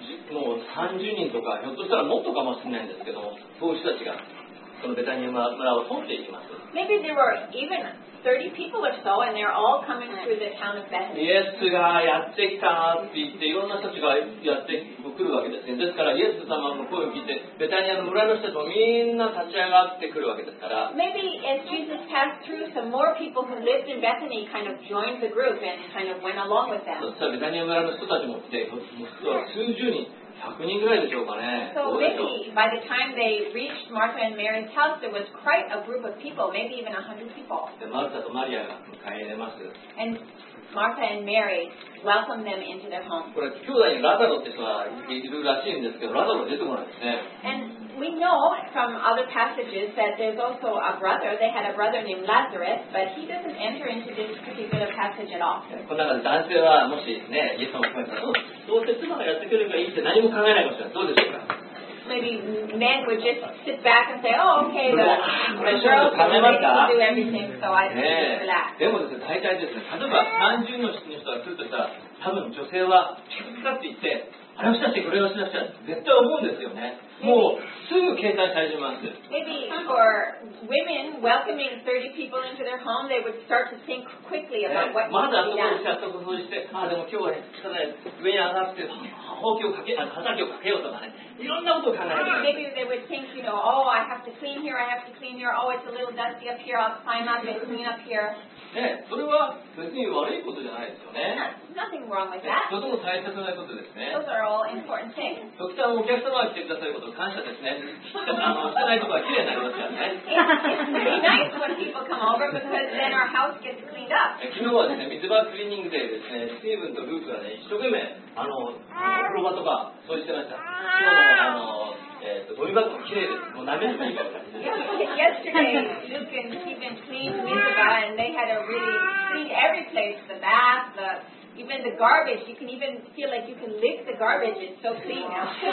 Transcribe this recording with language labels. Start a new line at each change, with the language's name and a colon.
Japanese: もう30人とかひょっとしたらもっとかもしれないんですけど、そういう人たちが。このベタニア村を通っていきます。
English: Maybe there were even 30 people or so, and they're all coming through the town of Bethany.
Japanese: イエスがやってきたって言って、いろんな人たちがやって来るわけですね。ですからイエス様の声を聞いて、ベタニアの村の人たちもみんな立ち上がってくるわけですから。
English: Maybe as Jesus passed through, some more people who lived in Bethany kind of joined the group and kind of went along with them.
Japanese: そしたらベタニア村の人たちも来て、数十人。 100人ぐらいでしょうかね。
English: So maybe by the time they reached Martha and Mary's house, there was quite a group of people, maybe even 100 people.
Japanese: で、マルタとマリアが迎え入れます。
English: And Martha and Mary welcomed them into their home.
Japanese: これ兄弟にラザロって人がいるらしいんですけど、ラザロ出てこないですね。
English: And we know from other passages that there's also a brother. They had a brother named Lazarus, but he doesn't enter into this particular passage at all.
Japanese: この中で男性はもしね、イエス様が来たら、どうせ妻がやってくればいいって何も考えないかもしれない。どうでしょうか？
English: Maybe men would just sit back and say, oh, okay, the girls are ready to do everything, so I think it's relaxed.
Japanese: でもですね、大体ですね、例えば30の人が来るとしたら、多分女性はピクピクって言って、あれをしなくちゃ、これをしなくちゃ、絶対思うんですよね。もうすぐ計算し始めます。
English: Maybe for women welcoming 30 people into their home, they would start to think quickly about what
Japanese: まだそこにしたとこ掃除して、ああ、でも今日は汚い、上に上がって、畑をかけようとかね。いろんなことを考えて。
English: Maybe they would think, you know, oh, I have to clean here, I have to clean here, oh, it's a little dusty up here, I'll climb up and clean up here.
Japanese: ね、それは別に悪いことじゃないですよね。
English: Nothing wrong with that.
Japanese: とても大切なことですね。
English: Those are all important things.
Japanese: とてもお客様が来てくださること感謝ですね。汚いところはきれいになりますからね。
English: It's pretty nice when people come over because then our house gets cleaned up.
Japanese: 昨日はですね、水場クリーニングでですね、スティーブンとルークがね、一生懸命、お風呂場とか掃除してました。昨日はゴミ箱もきれいです。もう舐めるといいから。
English: Yesterday, Luke and Stephen cleaned Mizuba, and they had a really clean every place, the bath, the, even the garbage. You can even feel like you can lick the garbage. It's so clean now.